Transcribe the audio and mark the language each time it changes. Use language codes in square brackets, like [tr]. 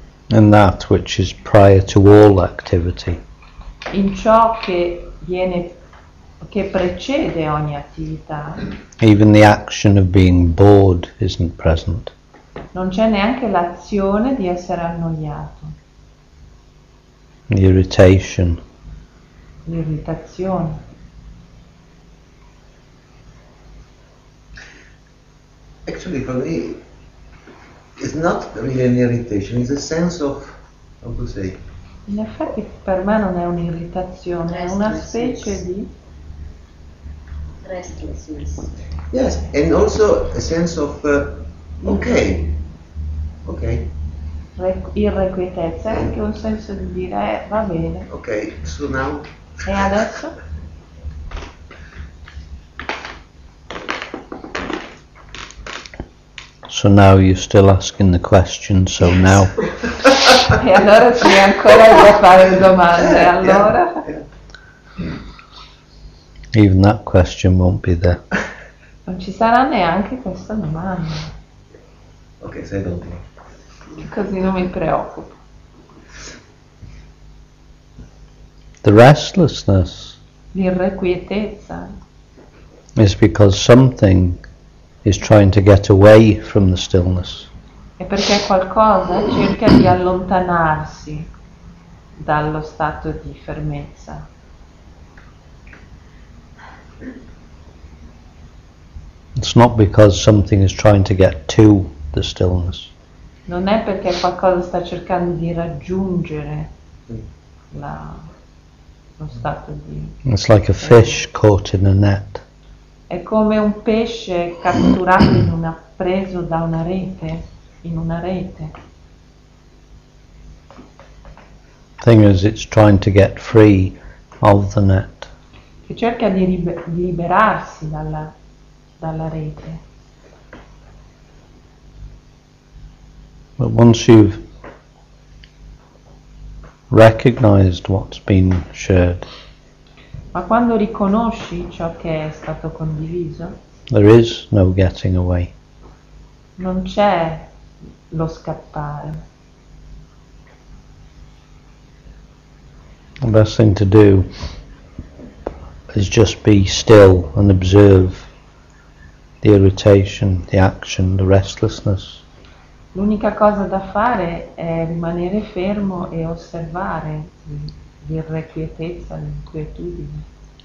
[en] In that which is prior to all activity. [it] In ciò che viene, che precede ogni attività. [en] Even the action of being bored isn't present. [it] Non c'è neanche l'azione di essere annoiato. [en] Irritation. [it] L'irritazione. [en] Actually, for me, it's not really an irritation. It's a sense of, how to say. [it] In effetti, per me non è un'irritazione, è una specie di [en] restlessness. Yes, and also a sense of okay. [it] Irrequietezza, anche un senso di dire va bene. [en] Okay, so now. [it] E adesso? [en] So now you're still asking the question, so now. [it] E allora ci è ancora da fare le domande, allora. [en] Even that question won't be there. [it] Non ci sarà neanche questa domanda. Ok, sei dopo. Così non mi preoccupo. [en] The restlessness. [it] L'irrequietezza. [en] Is because something is trying to get away from the stillness. [it] È perché qualcosa cerca di allontanarsi dallo stato di fermezza. [en] It's not because something is trying to get to the stillness. [it] Non è perché qualcosa sta cercando di raggiungere lo stato di. [en] It's like a fish caught in a net. [it] È come un pesce catturato in una, preso da una rete, in una rete. [en] Thing is, it's trying to get free of the net. [it] Che cerca di liberarsi dalla rete. [en] But once you've recognized what's been shared. [it] Ma quando riconosci ciò che è stato condiviso, [en] there is no getting away. [it] Non c'è lo scappare. [en] The best thing to do is just be still and observe the irritation, the action, the restlessness. [it] L'unica cosa da fare è rimanere fermo e osservare l'irrequietezza, l'inquietudine.